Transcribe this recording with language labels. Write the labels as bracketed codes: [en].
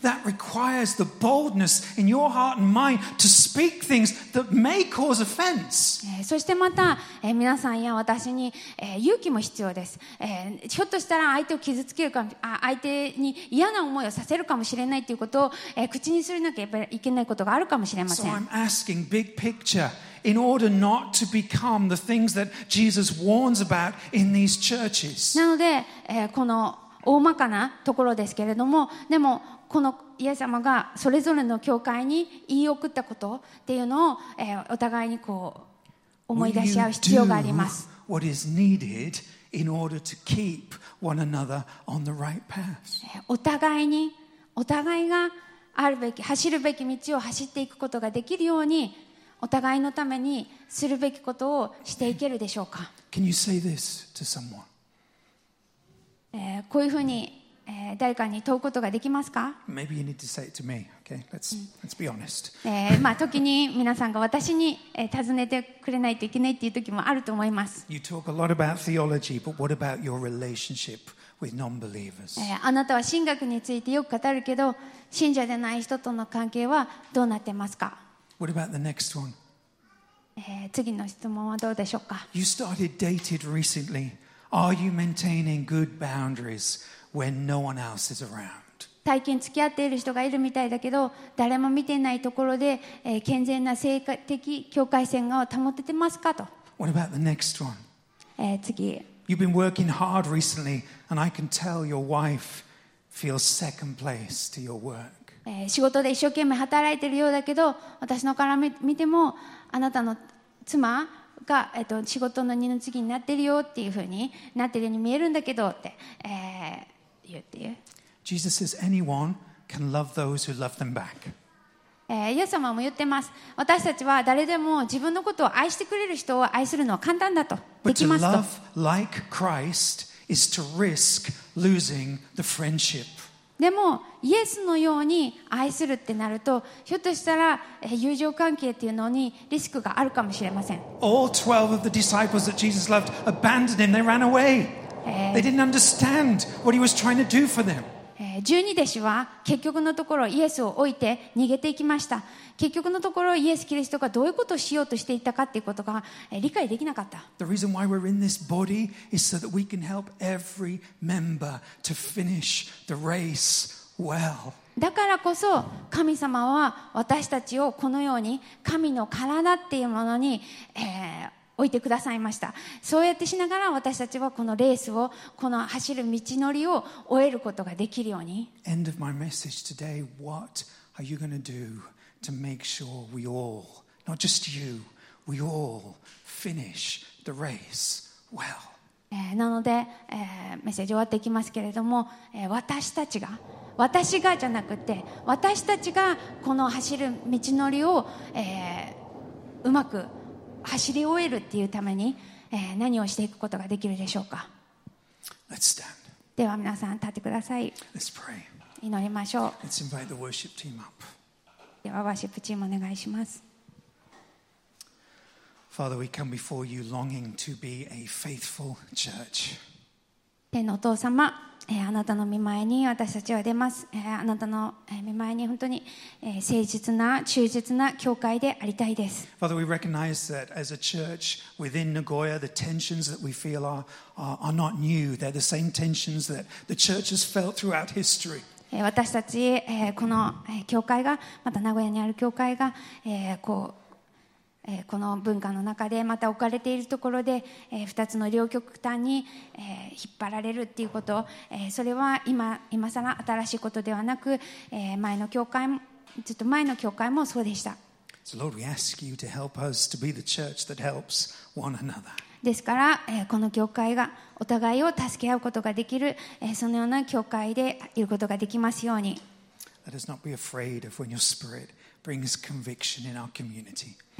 [en] That requires the boldness in your heart and mind to speak things that may cause offense. [ja] そしてまた、皆さんや私に、勇気も必要です。ひょっとしたら相手を傷つけるか、相手に嫌な思いをさせるかもしれないということを、口にするなければいけないことがあるかもしれません。 [en] So I'm asking big picture in order not to become the things that Jesus warns about in these churches. [ja] なので、この大まかなところですけれども、でもこのイエス様がそれぞれの教会に言い送ったことっていうのを、お互いにこう思い出し合う必要があります。 [en] Will you do what is needed in order to keep one another on the right path? [ja] お互いに、お互いがあるべき、走るべき道を走っていくことができるように、お互いのためにするべきことをしていけるでしょうか。 [en] Can you say this to someone? [ja] こういうふうに、誰かに問うことができますか。 [en] Maybe you need to say it to me. Okay, let's be honest. [ja] まあ時に皆さんが私に、尋ねてくれないといけないっていう時もあると思います。 [en] You talk a lot about theology, but what about your relationship? With non-believers. [ja] あなたは神学についてよく語るけど、信者でない人との関係はどうなってますか。 [en] What about the next one? [ja] 次の質問はどうでしょうか。 [en] You started dating recently. Are you maintaining good boundaries when no one else is around? [ja] 最近付き合っている人がいるみたいだけど、誰も見ていないところで、健全な性的境界線を保ててますかと。 [en] What about the next one? [ja] 次。 [en] You've been working hard recently, and I can tell your wife feels second place to your work. [ja] 仕事で一生懸命働いているようだけど、私のから見てもあなたの妻が仕事の二の次になっているよっていうふうになっているように見えるんだけどって、言って。 [en] Jesus says anyone can love those who love them back. [ja] イエス様も言ってます。私たちは誰でも自分のことを愛してくれる人を愛するのは簡単だと。 [en] But to love like Christ is to risk losing the friendship. [ja] でもイエスのように愛するってなると、ひょっとしたら友情関係っていうのにリスクがあるかもしれません。 [en] All 12 of the disciples that Jesus loved abandoned him. They ran away. They didn't understand what he was trying to do for them. [ja] 12弟子は結局のところイエスを置いて逃げていきました。結局のところイエス・キリストがどういうことをしようとしていたかということが理解できなかった。 [en] The reason why we're in this body is so that we can help every member to finish the race well. [ja] だからこそ神様は私たちをこのように神の体っていうものに、置いてくださいました。そうやってしながら私たちはこのレースを、この走る道のりを終えることができるように。 [en] End of my message today. What are you going to do? To make sure we all, not just you, we all finish the race well. [ja] なので、メッセージ終わっていきますけれども、私たちが、私がじゃなくて、私たちがこの走る道のりを、うまく走り終えるっていうために、何をしていくことができるでしょうか。 [en] Let's stand. [ja] では皆さん立ってください。 [en] Let's pray. [ja] 祈りましょう。 [en] Let's invite the worship team up. [ja] ではワーシップチームお願いします。 [en] Father, we come before you longing to be a faithful church. [ja] 天のお父様、あなたの御前に私たちは出ます。あなたの御前に本当に誠実な忠実な教会でありたいです。 [en] Father, we recognize that as a church within Nagoya, the tensions that we feel are not new. They're the same tensions that the church has felt throughout history. [ja] 私たちこの教会がまた名古屋にある教会がこの文化の中でまた置かれているところで二つの両極端に引っ張られるっていうこと、それは今さら新しいことではなく前の教会もずっと前の教会もそうでした。 [en] So Lord, we ask you to help us to be the church that helps one another. [ja] ですからこの教会がお互いを助け合うことができるそのような教会でいることができますように。 [en] Let us not be afraid of when your spirit brings conviction in our community.